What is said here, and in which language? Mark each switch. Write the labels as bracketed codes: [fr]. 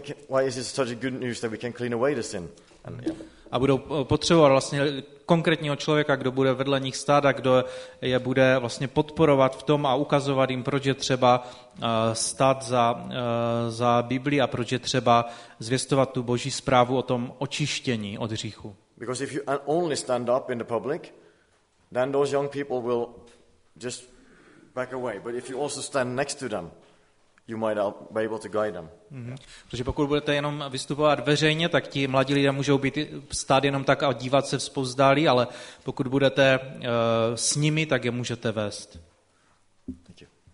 [en] Why is it such a good news that we can clean away the sin? [cs] A budou potřebovat vlastně konkrétního člověka, kdo bude vedle nich stát a kdo je bude vlastně podporovat v tom a ukazovat jim, proč je třeba stát za Biblii a proč je třeba zvěstovat tu Boží zprávu o tom očištění od hříchu. [en] Because if you only stand up in the public, then those young people will just back away. But if you also stand next to them, you might be able to guide them. Mm-hmm. [cs] Protože pokud budete jenom vystupovat veřejně, tak ti mladí lidé můžou být stát jenom tak a dívat se vzpovzdálí, ale pokud budete s nimi, tak je můžete vést. [en] Thank you.